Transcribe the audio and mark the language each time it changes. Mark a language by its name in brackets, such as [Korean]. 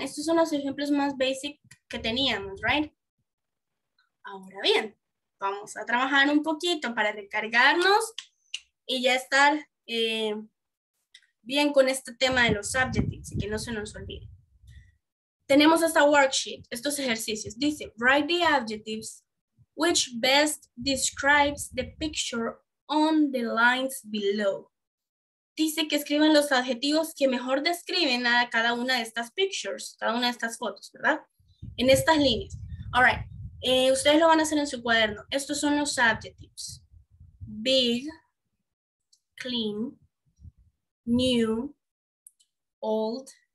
[Spanish] Estos son los ejemplos más basic que teníamos, right? Ahora bien, vamos a trabajar un poquito para recargarnos y ya estar bien con este tema de los adjectives y que no se nos olvide. Tenemos esta worksheet, estos ejercicios. Dice, [English] write the adjectives which best describes the picture on the lines below. [Spanish] Dice que escriban los adjetivos que mejor describen a cada una de estas pictures, cada una de estas fotos, ¿verdad? En estas líneas. [English] All right. [Spanish] Ustedes lo van a hacer en su cuaderno. Estos son los [English] adjectives. Big, clean, new, old,